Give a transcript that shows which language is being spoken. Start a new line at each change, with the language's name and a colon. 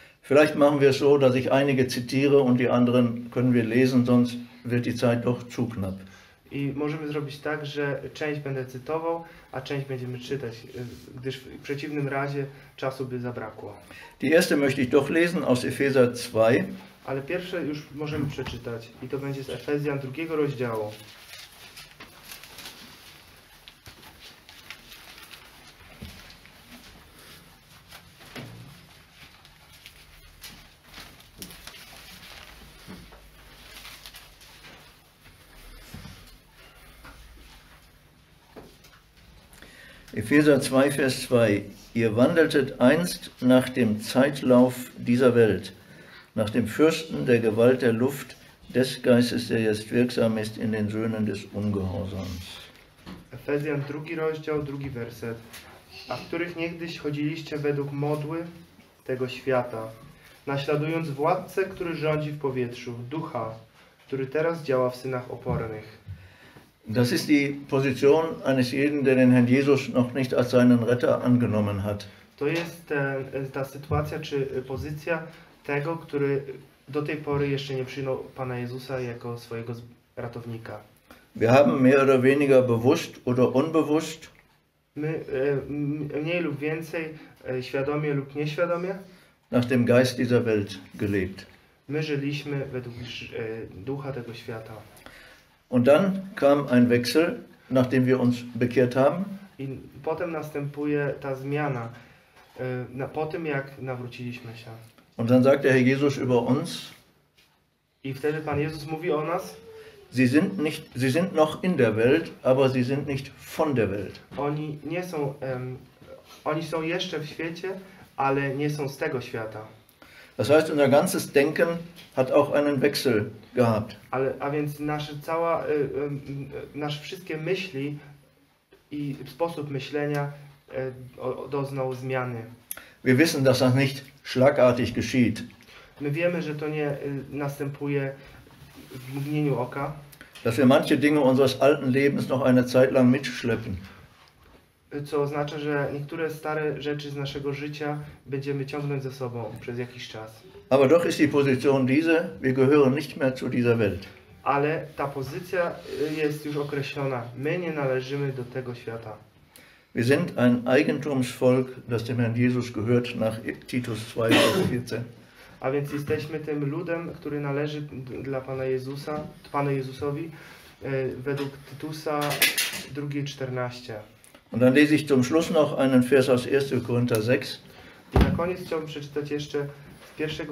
German: Vielleicht machen wir so, dass ich einige zitiere und die anderen können wir lesen, sonst wird die Zeit doch zu knapp.
Polish: I możemy zrobić tak, że część będę cytował, a część będziemy czytać, gdyż w przeciwnym razie czasu by zabrakło.
German: Die erste möchte ich doch lesen aus Epheser 2.
Polish: Ale pierwsze już możemy przeczytać i to będzie z Efezjan drugiego rozdziału.
German: Epheser 2, Vers 2. Ihr wandeltet einst nach dem Zeitlauf dieser Welt, nach dem Fürsten der Gewalt der Luft, des Geistes, der jetzt wirksam ist in den Söhnen des Ungehorsams.
Polish: Efezjan 2, rozdział, 2, werset. A w których niegdyś chodziliście według modły tego świata, naśladując władcę, który rządzi w powietrzu, ducha, który teraz działa w synach opornych.
German: Das ist die Position eines jeden, der den Herrn Jesus noch nicht als seinen Retter angenommen hat.
Polish: To jest ta sytuacja czy pozycja tego, który do tej pory jeszcze nie przyjął Pana Jezusa jako swojego ratownika.
German: Wir haben mehr oder weniger bewusst oder unbewusst.
Polish: My mniej lub więcej świadomie lub nieświadomie.
German: Nach dem Geist dieser Welt gelebt.
Polish: My żyliśmy według ducha tego świata.
German: Und dann kam ein Wechsel, nachdem wir uns bekehrt haben.
Polish: I potem następuje ta zmiana, po tym jak nawróciliśmy się.
German: Und dann sagt der Herr Jesus über uns.
Polish: I wtedy Pan Jezus mówi o nas.
German: Sie sind noch in der Welt, aber sie sind nicht von der Welt.
Polish: Oni nie są, oni są jeszcze w świecie, ale nie są z tego świata.
German: Das heißt, unser ganzes Denken hat auch einen Wechsel gehabt.
Polish: Ale, a więc nasze cała, nasze wszystkie myśli i sposób myślenia doznał zmiany.
German: Wir wissen, dass das nicht schlagartig geschieht.
Polish: My wiemy, że to nie następuje w mgnieniu oka.
German: Dass wir manche Dinge unseres alten Lebens noch eine Zeit lang mitschleppen.
Polish: Co oznacza, że niektóre stare rzeczy z naszego życia będziemy ciągnąć ze sobą przez jakiś czas.
German: Aber doch ist die Position diese, wir gehören nicht mehr zu dieser Welt.
Polish: Ale ta pozycja jest już określona. My nie należymy do tego świata.
German: Wir sind ein Eigentumsvolk, das dem Herrn Jesus gehört nach Titus 2, Vers 14.
Polish: A więc jesteśmy tym ludem, który należy dla Pana Jezusa, Panu Jezusowi, według Tytusa 2, 14.
German: Und dann lese ich zum Schluss noch einen Vers aus 1. Korinther 6.
Polish: I na koniec chciałbym przeczytać jeszcze z 1.